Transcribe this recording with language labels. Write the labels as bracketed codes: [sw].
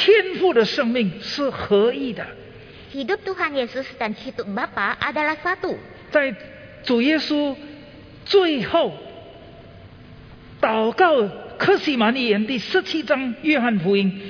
[zh] 主耶稣的生命跟天父的生命是合一的。 [id] Hidup Tuhan Yesus dan hidup Bapa adalah satu. [zh] 在主耶稣最后祷告 科西玛尼园第17章约翰福音